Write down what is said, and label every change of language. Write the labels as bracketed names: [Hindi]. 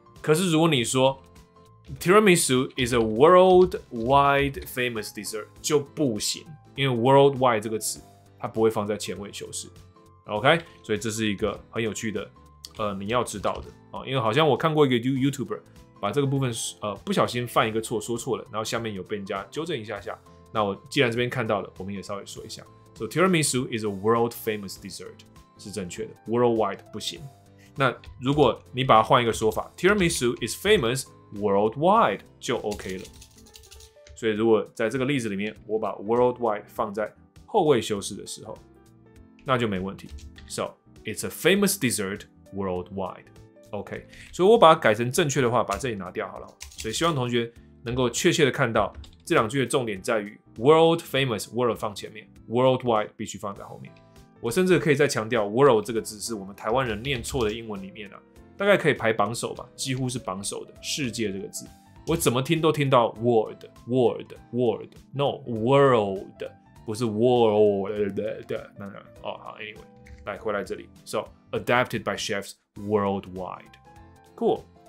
[Chinese] 可是如果你说 [English] Tiramisu is a worldwide famous dessert， [Chinese] 就不行，因为 worldwide 这个词它不会放在前位修饰。 OK， 所以这是一个很有趣的，你要知道的、哦、因为好像我看过一个 YouTuber 把这个部分不小心犯一个错说错了，然后下面有被人家纠正一下下。那我既然这边看到了，我们也稍微说一下。 [English] So tiramisu is a world famous dessert [Chinese] 是正确的 [English] ，worldwide [Chinese] 不行。那如果你把它换一个说法 ， [English] tiramisu is famous。 [Chinese] Worldwide 就 OK 了，所以如果在这个例子里面，我把 worldwide 放在后位修饰的时候，那就没问题。 [English] So it's a famous dessert worldwide. [Chinese] OK， 所以我把它改成正确的话，把这里拿掉好了。所以希望同学能够确切的看到这两句的重点在于 world famous world 放前面 ，worldwide 必须放在后面。我甚至可以再强调 world 这个字是我们台湾人念错的英文里面啊。大概可以排榜首吧，几乎是榜首的世界这个字，我怎么听都听到 world world world， no world， 不是 world 的，那哦好 ，anyway， 来回来这里 ， [English] so adapted by chefs worldwide， [Chinese] cool，